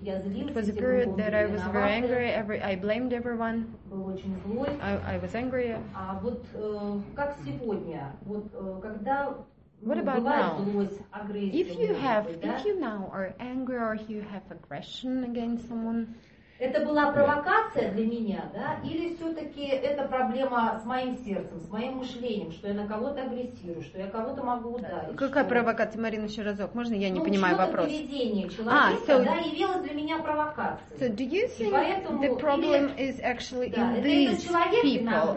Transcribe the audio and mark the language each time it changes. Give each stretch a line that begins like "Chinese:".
English: It was a period that I was very angry. I blamed everyone.
Russian: Был очень злой.
English: I was angry.
Russian: А вот как сегодня? Вот когда...
English: What about now? If you have, if you now are angry or you have aggression against someone,
Russian: это была провокация для меня, да? Или все-таки это проблема с моим сердцем, с моим мышлением, что я на кого-то агрессирую, что я кого-то могу ударить? Какая провокация, Марина, еще разок? Можно я не понимаю вопрос? Ну, что-то поведение человека, да, явилось для меня провокацией.
English: So do you think the problem is actually in these people?